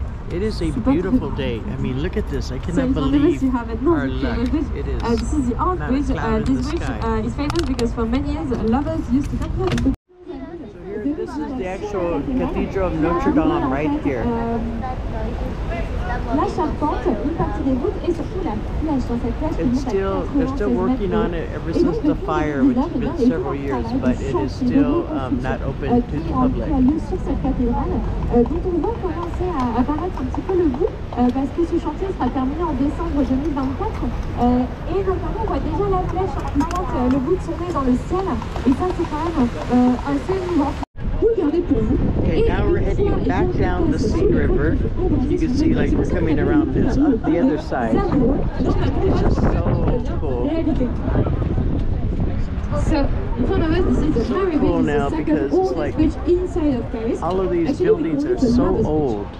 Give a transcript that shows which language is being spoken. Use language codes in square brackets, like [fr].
[en] It is a beautiful day. I mean, look at this. I cannot believe our luck. It is. This is the Art Bridge. This bridge is famous because for many years lovers used to come here. This is the actual Cathedral of Notre Dame right here. [fr] La charpente, une partie des voûtes et surtout la flèche dans cette flèche. [en] It's still, they're still working on it ever since the fire, which has been several years, but it is still not open to the public. [fr] Qui a lieu sur cette cathédrale, dont on va commencer à apparaître un petit peu le goût, parce que ce chantier sera terminé en décembre 2024. Et notamment, on voit déjà la flèche qui pointe le bout de son nez dans le ciel, et ça, c'est quand même assez émouvant. [en] Okay, now we're heading back down the Seine River. You can see like we're coming around this on the other side. It's just so cool. So in front of us, this is very big. Cool now because it's like all of these buildings are so old.